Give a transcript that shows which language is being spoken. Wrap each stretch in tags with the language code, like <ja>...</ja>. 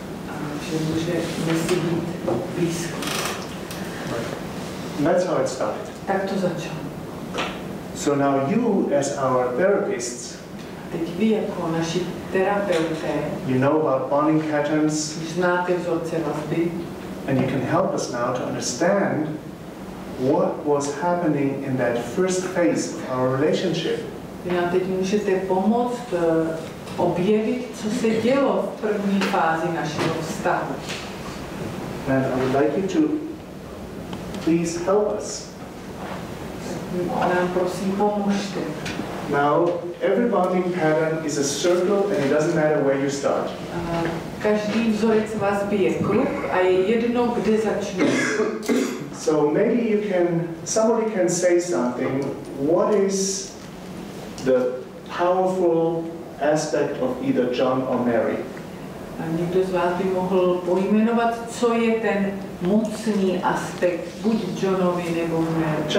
<cs>A že můžeme si být blízko.</cs> <en>That's how it started.</en> <cs>Tak to začalo.</cs> <en>So now you, as our therapists,</en> <cs>teď vy jako naši terapeuté,</cs> <en>you know about bonding patterns,</en> <cs>znáte vzorce vazby,</cs> <en>and you can help us now to understand what was happening in that first phase of our relationship.</en> <cs>Vy nám teď můžete pomoct objevit, co se dělo v první fázi našeho vztahu.</cs> <en>And I would like you to please help us.</en> <cs>Nám prosím pomožte.</cs> <en>Now, every bonding pattern is a circle and it doesn't matter where you start.</en> <cs>Každý vzorec vazby je kruh a je jedno, kde začne.</cs> <en>So maybe you can, somebody can say something, what is the powerful aspect of either John or Mary.</en> <cs>A někdo z vás by mohl pojmenovat, co je ten mocný aspekt, buď Johnovi nebo Mary.</cs>